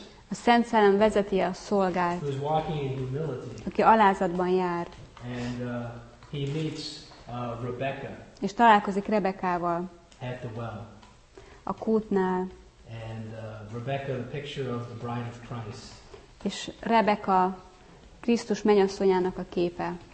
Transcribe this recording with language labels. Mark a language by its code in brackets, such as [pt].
[hu] A Szent Szellem vezeti a szolgát, aki alázatban jár. [en] And, he meets, Rebecca, [hu] és találkozik Rebekával [en] at the well. [hu] A kútnál. [en] And, Rebecca, the picture of the bride of Christ. [hu] És Rebecca Krisztus menyasszonyának a képe.